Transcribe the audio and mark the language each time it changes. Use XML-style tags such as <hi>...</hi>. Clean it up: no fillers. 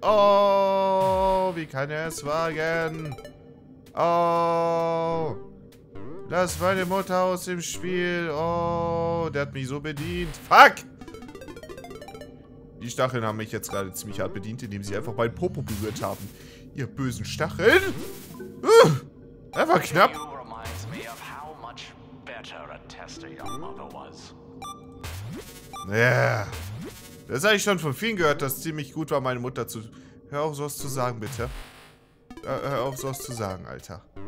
<de>Oh, wie kann er es wagen? Oh, lass meine Mutter aus dem Spiel. Oh, der hat mich so bedient. Fuck! Die Stacheln haben mich jetzt gerade ziemlich hart bedient, indem sie einfach meinen Popo berührt haben. Ihr bösen Stacheln. Einfach knapp.</de> <en>Me of how much better a tester your mother was.</en> <de>Ja. Das habe ich schon von vielen gehört, dass es ziemlich gut war, meine Mutter zu... Hör auf, sowas zu sagen, bitte. Hör auf, sowas zu sagen, Alter.</de>